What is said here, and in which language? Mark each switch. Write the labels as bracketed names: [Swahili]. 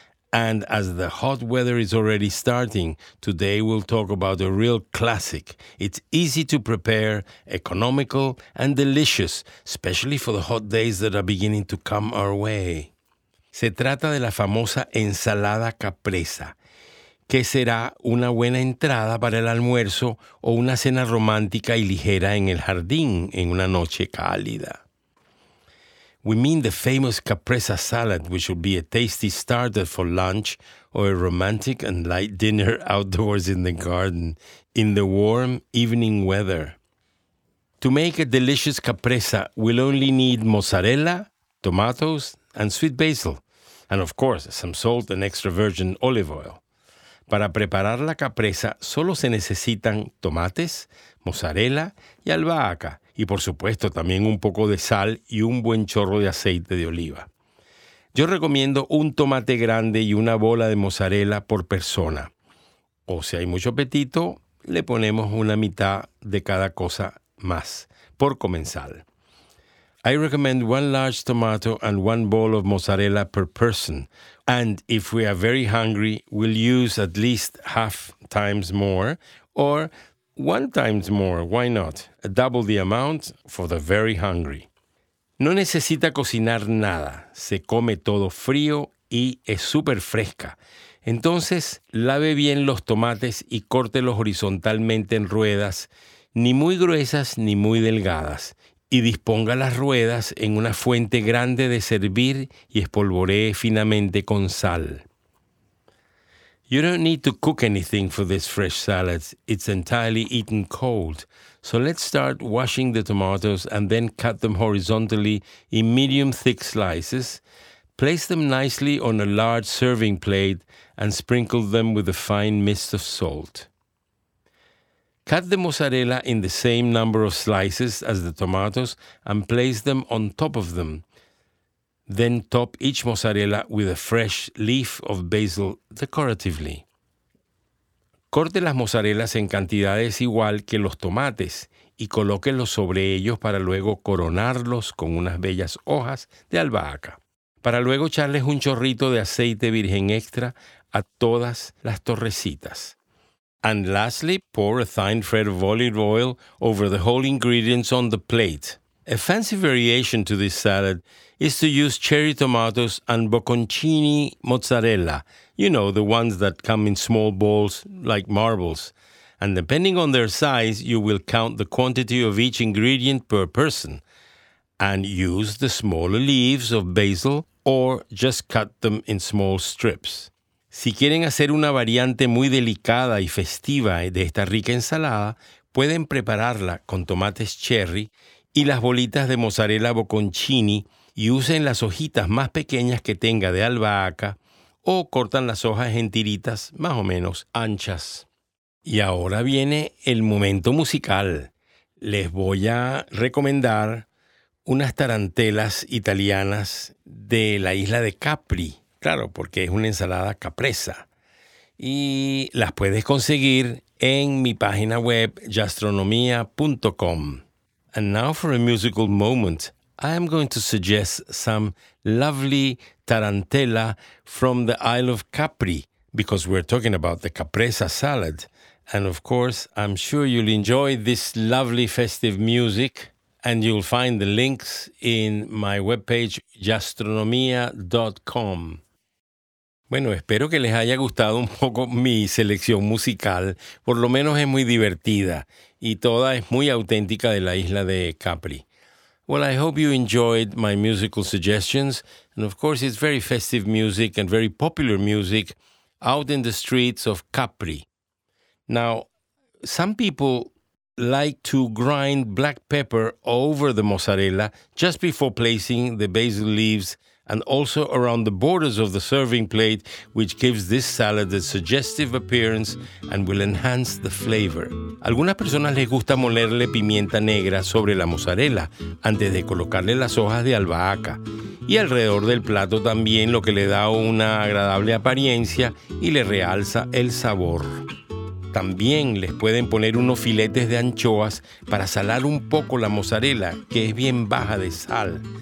[English] And as the hot weather is already starting, today we'll talk about a real classic. It's easy to prepare, economical, and delicious, especially for the hot days that are beginning to come our way. [Spanish] Se trata de la famosa ensalada caprese, que será una buena entrada para el almuerzo o una cena romántica y ligera en el jardín en una noche cálida. [English] We mean the famous caprese salad, which will be a tasty starter for lunch or a romantic and light dinner outdoors in the garden in the warm evening weather. To make a delicious caprese, we'll only need mozzarella, tomatoes, and sweet basil, and of course, some salt and extra virgin olive oil. [Spanish] Para preparar la caprese, solo se necesitan tomates, mozzarella y albahaca, y por supuesto también un poco de sal y un buen chorro de aceite de oliva. Yo recomiendo un tomate grande y una bola de mozzarella por persona. O si hay mucho apetito, le ponemos una mitad de cada cosa más, por comensal. [English] I recommend one large tomato and one bowl of mozzarella per person. And if we are very hungry, we'll use at least half times more or one times more. Why not? Double the amount for the very hungry. [Spanish] No necesita cocinar nada. Se come todo frío y es súper fresca. Entonces, lave bien los tomates y córtelos horizontalmente en ruedas, ni muy gruesas ni muy delgadas. Y disponga las ruedas en una fuente grande de servir y espolvoree finamente con sal. [English] You don't need to cook anything for this fresh salad. It's entirely eaten cold. So let's start washing the tomatoes and then cut them horizontally in medium thick slices. Place them nicely on a large serving plate and sprinkle them with a fine mist of salt. Cut the mozzarella in the same number of slices as the tomatoes and place them on top of them. Then top each mozzarella with a fresh leaf of basil decoratively. [Spanish] Corte las mozzarellas en cantidades igual que los tomates y colóquelos sobre ellos para luego coronarlos con unas bellas hojas de albahaca. Para luego echarles un chorrito de aceite virgen extra a todas las torrecitas. [English] And lastly, pour a thin thread of olive oil over the whole ingredients on the plate. A fancy variation to this salad is to use cherry tomatoes and bocconcini mozzarella, you know, the ones that come in small balls like marbles. And depending on their size, you will count the quantity of each ingredient per person and use the smaller leaves of basil or just cut them in small strips. [Spanish] Si quieren hacer una variante muy delicada y festiva de esta rica ensalada, pueden prepararla con tomates cherry y las bolitas de mozzarella bocconcini y usen las hojitas más pequeñas que tenga de albahaca o cortan las hojas en tiritas más o menos anchas. Y ahora viene el momento musical. Les voy a recomendar unas tarantelas italianas de la isla de Capri. Claro, porque es una ensalada caprese. Y las puedes conseguir en mi página web gastronomía.com. [English] And now for a musical moment, I am going to suggest some lovely tarantella from the Isle of Capri, because we're talking about the caprese salad. And of course, I'm sure you'll enjoy this lovely festive music. And you'll find the links in my webpage gastronomía.com. [Spanish] Bueno, espero que les haya gustado un poco mi selección musical. Por lo menos es muy divertida y toda es muy auténtica de la isla de Capri. [English] Well, I hope you enjoyed my musical suggestions. And of course, it's very festive music and very popular music out in the streets of Capri. Now, some people like to grind black pepper over the mozzarella just before placing the basil leaves and also around the borders of the serving plate, which gives this salad a suggestive appearance and will enhance the flavor. [Spanish] Algunas personas les gusta molerle pimienta negra sobre la mozzarella antes de colocarle las hojas de albahaca. Y alrededor del plato también, lo que le da una agradable apariencia y le realza el sabor. También les pueden poner unos filetes de anchoas para salar un poco la mozzarella, que es bien baja de sal.